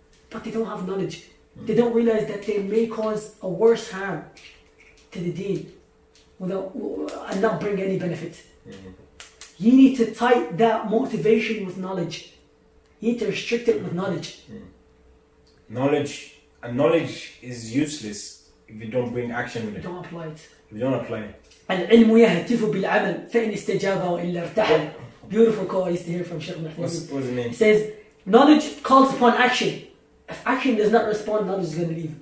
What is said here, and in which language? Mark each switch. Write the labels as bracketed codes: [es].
[en] But they don't have knowledge. Mm. They don't realize that they may cause a worse harm to the deen and not bring any benefit. Mm-hmm. You need to tie that motivation with knowledge. You need to restrict it with knowledge. Mm. Knowledge. And knowledge is useless if you don't bring action with it. Don't apply it. If you don't apply it. [ar] العلم يهتف بالعمل فإن استجاب وإلا ارتحل. [en] Beautiful quote I used to hear from Sheikh Mahmoud. What's his name? He says, knowledge calls upon action. if action does not respond, knowledge is going to leave.